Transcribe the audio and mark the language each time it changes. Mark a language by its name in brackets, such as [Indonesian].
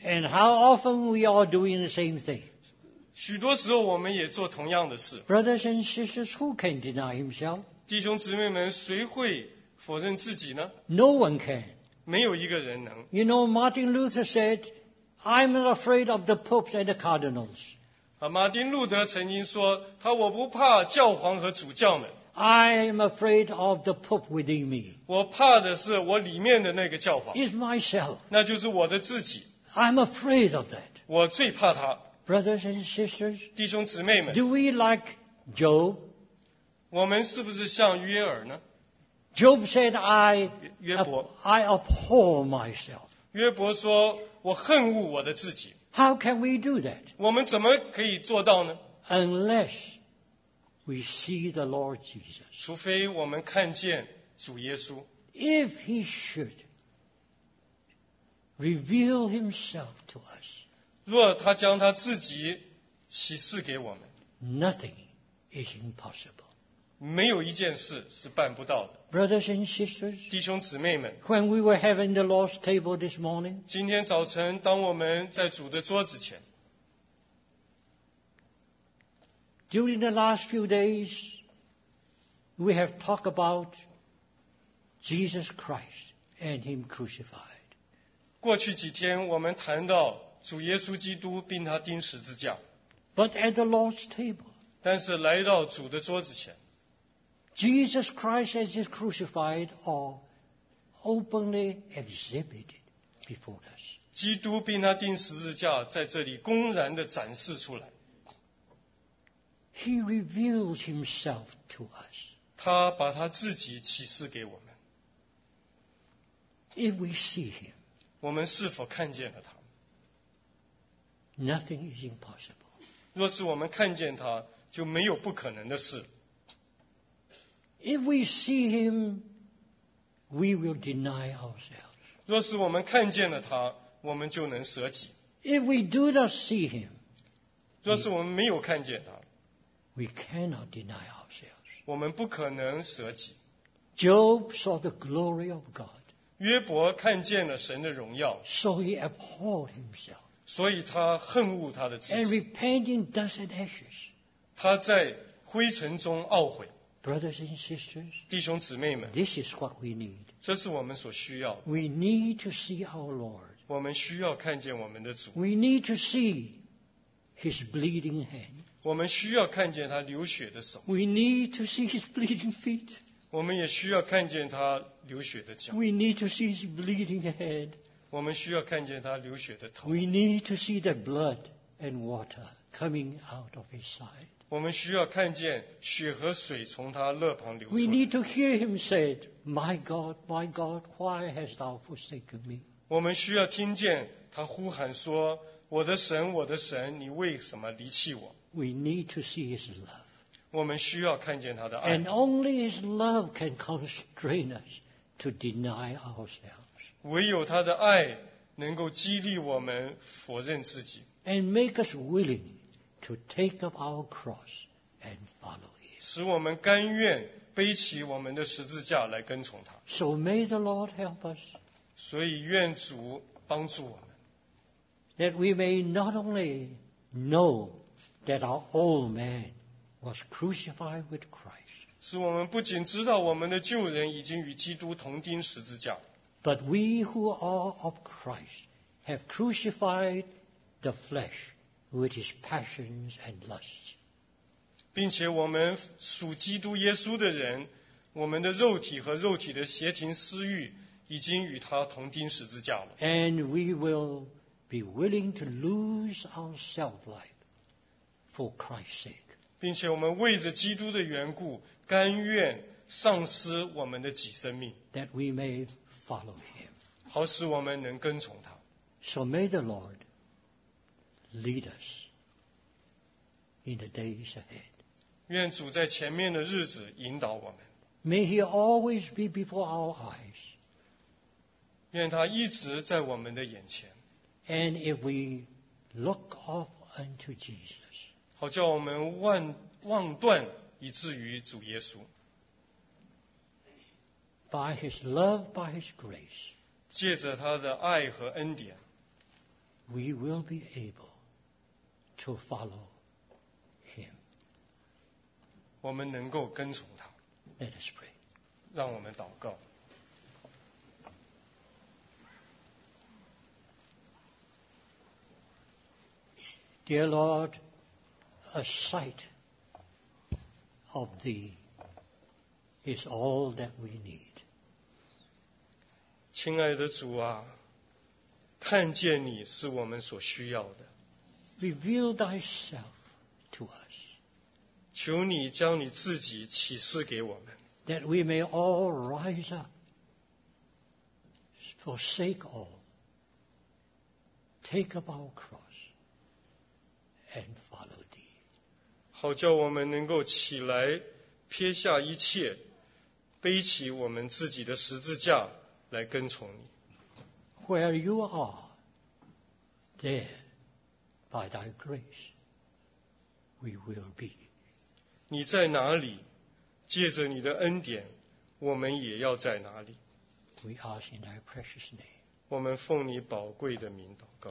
[English] And how often we are doing the same thing? [Chinese] 许多时候我们也做同样的事。 [English] Brothers and sisters, who can deny himself? [Chinese] 弟兄姊妹们，谁会否认自己呢？ [English] No one can. [Chinese] 没有一个人能。 [English] You know, Martin Luther said, I'm not afraid of the popes and the cardinals. [Chinese] 马丁路德曾经说，他我不怕教皇和主教们。 [English] I am afraid of the Pope within me. [Chinese] 我怕的是我里面的那个教皇。 [English] Is myself. [Chinese] 那就是我的自己。 [English] I'm afraid of that. [Chinese] 我最怕他。 [English] Brothers and sisters. [Chinese] 弟兄姊妹们。 [English] Do we like Job? [Chinese] 我们是不是像约珥呢？ [English] Job said, I [Chinese] 约伯。 [English] I abhor myself. [Chinese] 约伯说，我恨恶我的自己。 [English] How can we do that? [Chinese] 我们怎么可以做到呢？ [English] Unless we see the Lord Jesus. [Chinese] 除非我们看见主耶稣。 [English] If he should reveal himself to us. [Chinese] 若他将他自己启示给我们。 [English] Nothing is impossible. [Chinese] 没有一件事是办不到的。 [English] Brothers and sisters. [Chinese] 弟兄姊妹们。 [English] When we were having the Lord's table this morning. [Chinese] 今天早晨当我们在主的桌子前。 [English] During the last few days, we have talked about Jesus Christ and him crucified. [Chinese] 过去几天我们谈到主耶稣基督并他钉十字架。 [English] But at the Lord's table. [Chinese] 但是来到主的桌子前。 [English] Jesus Christ as is crucified are openly exhibited before us. [Chinese] 基督并他钉十字架在这里公然地展示出来。 [English] He reveals himself to us. [Chinese] 他把他自己启示给我们。 [English] If we see him, [Chinese] 我们是否看见了他？ [English] Nothing is impossible. [Chinese] 若是我们看见他，就没有不可能的事。 [English] If we see him, we will deny ourselves. [Chinese] 若是我们看见了他，我们就能舍己。 [English] If we do not see him, [Chinese] 若是我们没有看见他， [English] we cannot deny ourselves. [Chinese] 我们不可能舍己。 [English] Job saw the glory of God. [Chinese] 约伯看见了神的荣耀。 [English] So he abhorred himself. [Chinese] 所以他恨恶他的自己。 [English] And repented in dust and ashes. [Chinese] 他在灰尘中懊悔。 [English] Brothers and sisters, [Chinese] 弟兄姊妹们， [English] this is what we need. [Chinese] 这是我们所需要的。 [English] We need to see our Lord. [Chinese] 我们需要看见我们的主。 [English] We need to see His bleeding hand. [Chinese] 我们需要看见他流血的手。 [English] We need to see His bleeding feet. [Chinese] 我们也需要看见他流血的脚。 [English] We need to see His bleeding head. [Chinese] 我们需要看见他流血的头。 [English] We need to see the blood and water coming out of His side. [Chinese] 我们需要看见血和水从他肋旁流出来。 [English] We need to hear him say, "My God, my God, why hast thou forsaken me?" [Chinese] 我们需要听见他呼喊说，我的神，我的神，你为什么离弃我？ [English] We need to see his love. [Chinese] 我们需要看见他的爱。 [English] And only his love can constrain us to deny ourselves. [Chinese] 唯有他的爱能够激励我们否认自己。 [English] And make us willing. To take up our cross and follow Him. [Chinese] 使我们甘愿背起我们的十字架来跟从他。 [English] So may the Lord help us. [Chinese] 所以愿主帮助我们。 [English] That we may not only know that our old man was crucified with Christ. [Chinese] 使我们不仅知道我们的旧人已经与基督同钉十字架。 [English] But we who are of Christ have crucified the flesh. With his passions and lusts. [Chinese] 并且我们属基督耶稣的人，我们的肉体和肉体的邪情私欲已经与他同钉十字架了。 [English] And we will be willing to lose our self-life for Christ's sake. [Chinese] 并且我们为着基督的缘故，甘愿丧失我们的己生命。 [English] That we may follow him. [Chinese] 好使我们能跟从他。 [English] So may the Lord. Lead us in the days ahead. [Chinese] 愿主在前面的日子引导我们。 [English] May He always be before our eyes. [Chinese] 愿他一直在我们的眼前。 [English] And if we look off unto Jesus, [Chinese] 好叫我们望断以至于主耶稣。 [English] By His love, by His grace, [Chinese] 借着他的爱和恩典 [English] we will be able. To follow him. [Chinese] 我们能够跟从他。 [English] Let us pray. [Chinese] 让我们祷告。 [English] Dear Lord, a sight of thee is all that we need. [Chinese] 亲爱的主啊，看见你是我们所需要的。 [English] Reveal thyself to us. [Chinese] 求你将你自己启示给我们。 [English] That we may all rise up, forsake all, take up our cross, and follow thee. [Chinese] 好叫我们能够起来，撇下一切，背起我们自己的十字架来跟从你。 [English] Where you are, there. By thy grace, we will be. [Chinese] 你在哪里？借着你的恩典，我们也要在哪里。 [English] We ask in thy precious name. [Chinese] 我们奉你宝贵的名祷告。